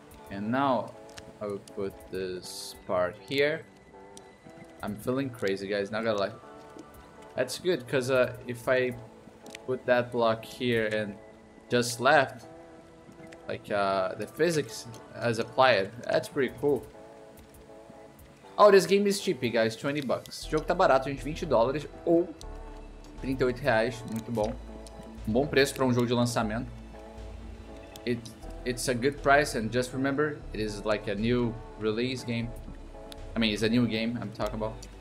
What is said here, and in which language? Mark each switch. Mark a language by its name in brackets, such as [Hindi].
[English] And now I will put this part here. I'm feeling crazy, guys, not gonna lie. That's good, because if I put that block here and just left, like, the physics has applied. That's pretty cool. Oh, this game is cheap, guys, 20 bucks. [Portuguese] O jogo tá barato, gente, $20 ou R$38, muito bom. Um bom preço para um jogo de lançamento. [English] It's a good price, and just remember, it is like a new release game. I mean, it's a new game I'm talking about.